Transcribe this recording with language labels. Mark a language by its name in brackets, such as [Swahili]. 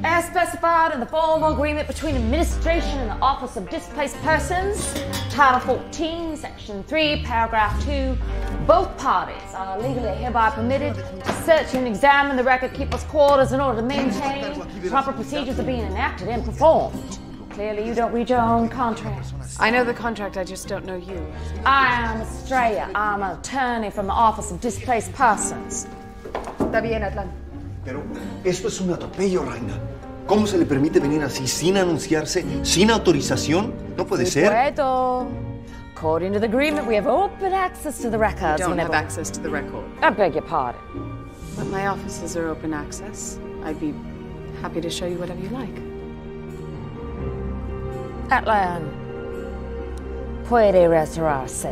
[English] As specified in the formal agreement between administration and the Office of Displaced Persons, Title 14, Section 3, Paragraph 2, both parties are legally hereby permitted to search and examine the record keeper's quarters in order to maintain proper procedures are being enacted and performed. Clearly you don't read your own contract. I know the contract, I just don't know you. I am Estrella. I'm an attorney from the Office of Displaced Persons. [Spanish] Está bien, Atlan. Pero esto es un atropello, Reina. ¿Cómo se le permite venir así sin anunciarse, sin autorización? No puede ser. [English] According to the agreement, we have open access to the records. We don't have access to the record. I beg your pardon. But my offices are open access. I'd be happy to show you whatever you like. [Spanish] Atlan, puede retirarse.